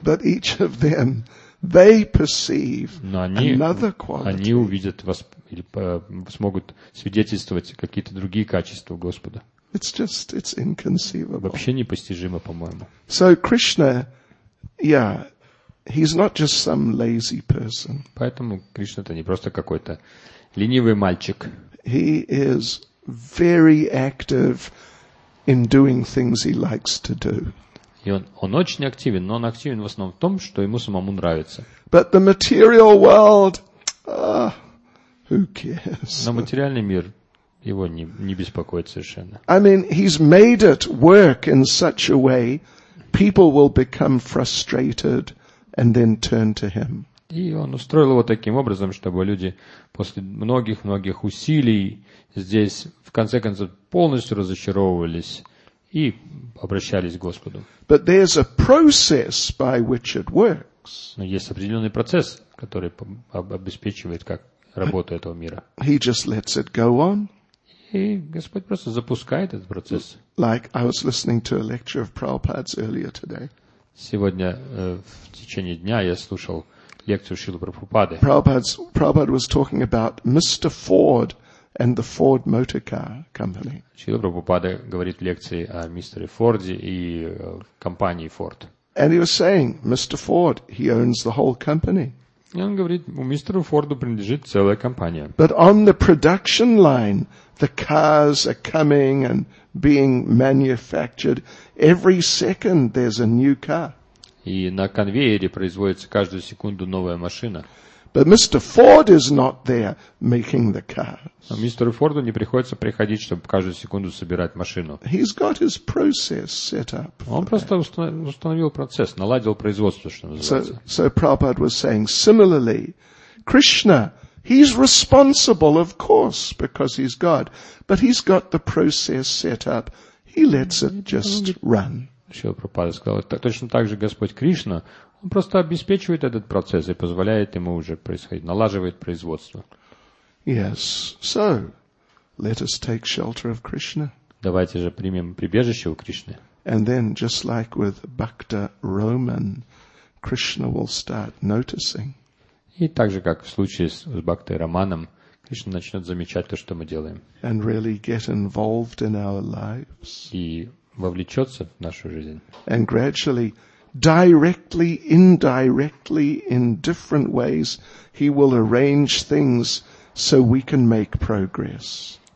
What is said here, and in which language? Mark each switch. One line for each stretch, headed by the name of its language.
English: But each of them, they perceive another quality.
Russian: Они увидят вас или смогут свидетельствовать какие-то другие качества Господа.
English: It's inconceivable.
Russian: Вообще непостижимо, по-моему.
English: So Krishna, yeah, he's not just some lazy person.
Russian: Поэтому Кришна это не просто какой-то ленивый мальчик.
English: He is very active in doing things he likes to do.
Russian: И он очень активен, но он активен в основном в том, что ему самому нравится.
English: But the material world, who cares?
Russian: Но материальный мир его не беспокоит совершенно.
English: I mean, he's made it work in such a way, people will become frustrated and then turn to him.
Russian: И он устроил его таким образом, чтобы люди после многих-многих усилий здесь в конце концов полностью разочаровывались и обращались к Господу.
English: But there's a process by which it works.
Russian: Но есть определенный процесс, который обеспечивает как работу этого мира.
English: He just lets it go on.
Russian: И Господь просто запускает этот процесс.
English: Like I was listening to a lecture of Prabhupada's earlier today.
Russian: Сегодня в течение дня я слушал лекцию Шрилы Прабхупады.
English: Prabhupada was talking about Mr. Ford and the Ford Motor Car Company.
Russian: Шрила Прабхупада говорит в лекции о мистере Форде и компании Ford.
English: And he was saying, Mr. Ford, he owns the whole company.
Russian: И он говорит, у мистера Форда принадлежит целая компания.
English: But on the production line, the cars are coming and being manufactured. Every second there's a new car.
Russian: И на конвейере производится каждую секунду новая машина.
English: But Mr. Ford is not there making the cars.
Russian: А мистеру Форду не приходится приходить, чтобы каждую секунду собирать машину.
English: He's got his process set up.
Russian: Он просто установил процесс, наладил производство, что называется.
English: So Prabhupada was saying, similarly, Krishna, he's responsible, of course, because he's God, but he's got the process set up. He lets it just run.
Russian: Шрила Прабхупада сказал, точно так же Господь Кришна, Он просто обеспечивает этот процесс и позволяет ему уже происходить, налаживает производство.
English: Yes, so, let us take shelter of Krishna.
Russian: Давайте же примем прибежище у Кришны.
English: And then, just like with Bhakta Roman, Krishna will start noticing.
Russian: И так же, как в случае с Бхактой Романом, Кришна начнет замечать то, что мы делаем.
English: And really get involved in our lives.
Russian: И вовлечется в нашу жизнь.
English: And gradually, directly, indirectly, in different ways, he will arrange things so we can make progress.